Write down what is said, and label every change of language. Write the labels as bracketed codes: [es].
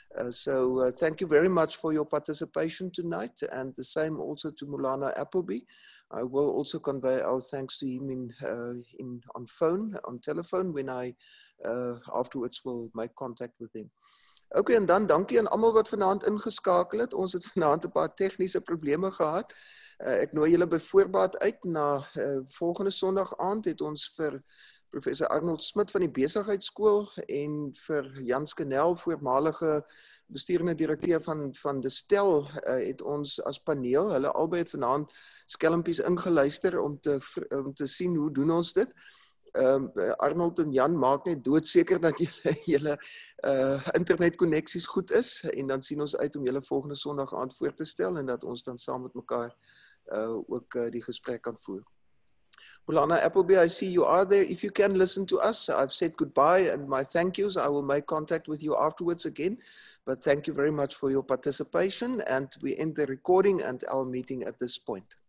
[en] So thank you very much for your participation tonight, and the same also to Maulana Appleby. I will also convey our thanks to him on telephone when I afterwards will make contact with him. [af] Okay, en dan dankie aan almal wat vanaand ingeskakel het. Ons het vanaand 'n paar tegniese probleme gehad. Ek nooi julle by voorbaat uit na volgende Sondag aand het ons vir Professor Arnold Smit van die Besigheidsskool en vir Jan Skenel, voormalige bestuurende direkteur van De Stel, het ons as paneel, hulle albei het vanaand skelmpies ingeluister om te sien hoe doen ons dit. Arnold en Jan maak net doodseker dat julle internetkoneksies goed is, en dan sien ons uit om julle volgende Sondag aand voor te stel en dat ons dan saam met mekaar ook die gesprek kan voer. [en] Maulana Appleby, I see you are there. If you can listen to us, I've said goodbye and my thank yous. I will make contact with you afterwards again. But thank you very much for your participation, and we end the recording and our meeting at this point.